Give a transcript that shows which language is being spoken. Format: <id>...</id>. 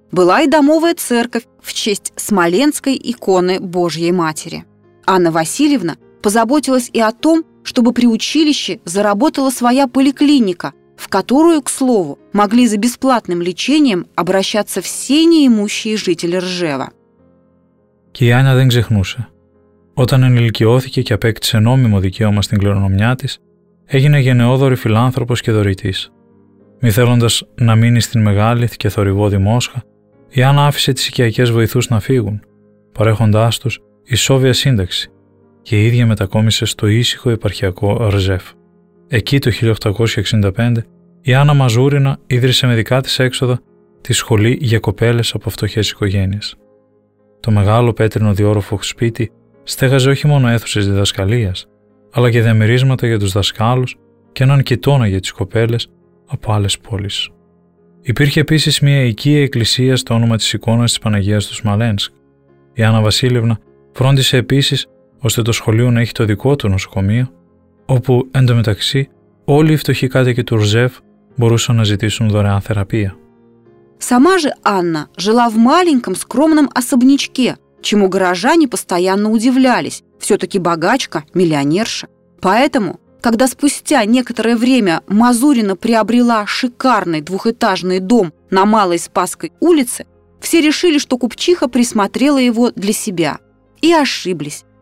<ru>Была и домовая церковь в честь Смоленской иконы Божьей Матери. Анна Васильевна позаботилась и о том, чтобы при училище заработала своя поликлиника, в которую, к слову, могли за бесплатным лечением обращаться все неимущие жители Ржева.</ru> <el>Και η Άννα δεν ξεχνούσε. Όταν ενηλικιώθηκε και απέκτησε νόμιμο δικαίωμα στην κληρονομιά της, έγινε γενναιόδωρη φιλάνθρωπος και δωρητής. Μη θέλοντας να μείνει στην μεγάλη και θορυβώδη Μόσχα, η Άννα άφησε τις οικιακές βοηθούς να φύγουν, παρέχοντάς τους ισόβια σύνταξη, και η ίδια μετακόμισε στο ήσυχο επαρχιακό Ρζεφ. Εκεί το 1865 η Άννα Μαζούρινα ίδρυσε με δικά της έξοδα τη σχολή για κοπέλες από φτωχές οικογένειες. Το μεγάλο πέτρινο διόροφο σπίτι στέγαζε όχι μόνο αίθουσες διδασκαλίας, αλλά και διαμερίσματα για τους δασκάλους και έναν κοιτώνα για τις κοπέλες από άλλες πόλεις. Υπήρχε επίσης μια οικία εκκλησία στο όνομα της εικόνας της Παναγίας του Σμαλένσκ. Η Άννα Βασίλευνα φρόντισε επίσης ώστε το σχολείο να έχει το δικό του νοσοκομείο, όπου εντωμεταξύ όλοι οι φτωχοί κάτοικοι του Ρζεφ μπορούσαν να ζητήσουν δωρεάν θεραπεία.</el> <ru>Сама же Анна жила в маленьком скромном особнячке, чему горожане постоянно удивлялись, все-таки богачка, миллионерша. Поэтому, когда спустя некоторое время Мазурина приобрела шикарный двухэтажный дом на Малой Спасской улице, все решили, что купчиха присмотрела его для себя. И ошиблись.</ru>